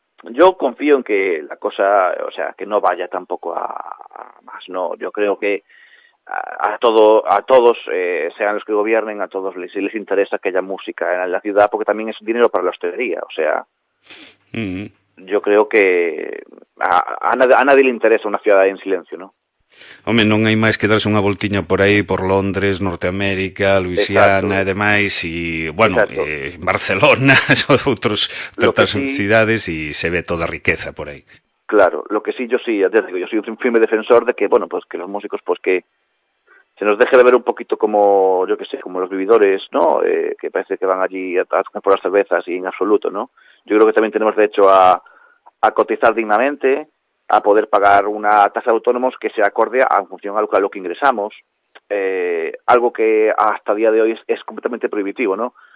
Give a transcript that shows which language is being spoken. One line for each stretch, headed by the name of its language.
Spanish: Yo confío en que la cosa, o sea, que no vaya tampoco a más, ¿no? Yo creo que a todos, sean los que gobiernen, a todos les interesa que haya música en la ciudad, porque también es dinero para la hostelería, o sea, yo creo que a nadie le interesa una ciudad en silencio, ¿no?
Galician: Home, non hai máis que darse unha voltiña por aí, por Londres, Norteamérica, Luisiana e demais, e, bueno, Barcelona, outros tantas cidades, e se ve toda a riqueza por aí.
Spanish: Claro, lo que sí, yo soy un firme defensor de que, bueno, pues que los músicos, pues que se nos deje de ver un poquito como, yo qué sé, como los vividores, ¿no? Que parece que van allí a por las cervezas y en absoluto, ¿no? Yo creo que también tenemos derecho a cotizar dignamente, a poder pagar una tasa de autónomos que se acorde a función a lo que ingresamos, algo que hasta día de hoy es completamente prohibitivo, ¿no?